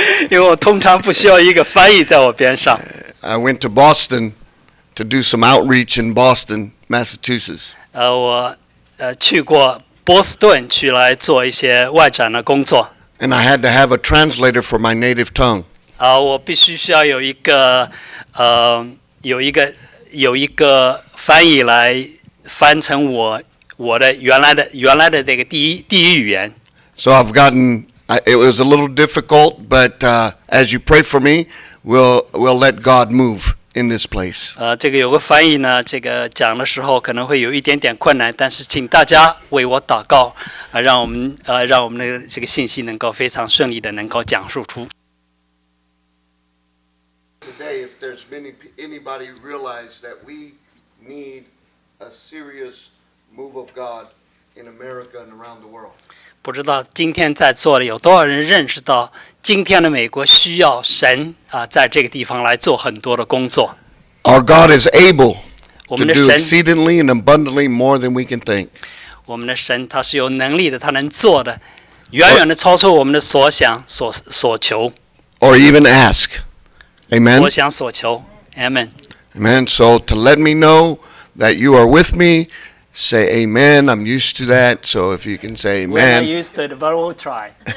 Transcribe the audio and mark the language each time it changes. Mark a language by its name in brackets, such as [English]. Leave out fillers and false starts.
[Chinese] 因为我通常不需要一个翻译在我边上。 [English] I went to Boston to do some outreach in Boston, Massachusetts. [Chinese] 我去过波士顿去来做一些外展的工作。 [English] And I had to have a translator for my native tongue. [Chinese] 我必须需要有一个翻译来翻成我的原来的这个第一语言。 [English] So I've gotten, it was a little difficult, but as you pray for me, we'll let God move in this place. [Chinese] 这个有个翻译呢，这个讲的时候可能会有一点点困难，但是请大家为我祷告，让我们的这个信息能够非常顺利的能够讲述出。 [English] Today, if there's anybody realize that we need a serious move of God in America and around the world. [Chinese] 不知道今天在座的有多少人认识到今天的美国需要神啊，在这个地方来做很多的工作。 [English] Our God is able to do exceedingly and abundantly more than we can think. [Chinese] 我们的神他是有能力的，他能做的远远的超出我们的所想所求。 [English] Or even ask. Amen. [Chinese] 所想所求 Amen. [English] Amen. So to let me know that you are with me, say Amen. I'm used to that. So if you can say Amen. We're not used to it, but we'll try.